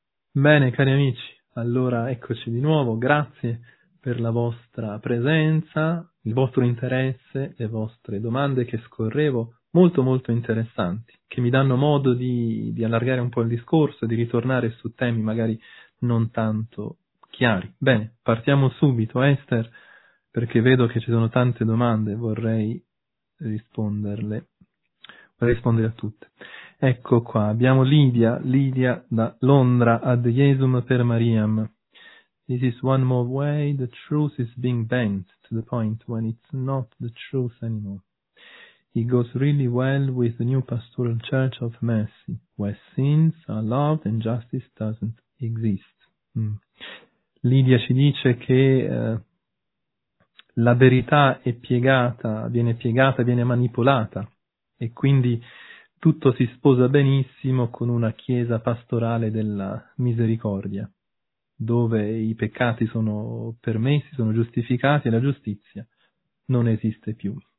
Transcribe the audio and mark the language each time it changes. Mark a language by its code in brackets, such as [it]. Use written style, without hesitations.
[it] Bene, cari amici, allora eccoci di nuovo, grazie per la vostra presenza, il vostro interesse, le vostre domande che scorrevo, molto molto interessanti, che mi danno modo di allargare un po' il discorso e di ritornare su temi magari non tanto chiari. Bene, partiamo subito, Esther, perché vedo che ci sono tante domande, vorrei risponderle. Vorrei rispondere a tutte. Ecco qua, abbiamo Lidia, Lidia da Londra, [la] ad Jesum per Mariam. [en] This is one more way, the truth is being bent to the point when it's not the truth anymore. It goes really well with the new pastoral church of mercy, where sins are loved and justice doesn't exist. Mm. [it] Lidia ci dice che la verità è piegata, viene manipolata, e quindi tutto si sposa benissimo con una chiesa pastorale della misericordia, dove i peccati sono permessi, sono giustificati e la giustizia non esiste più.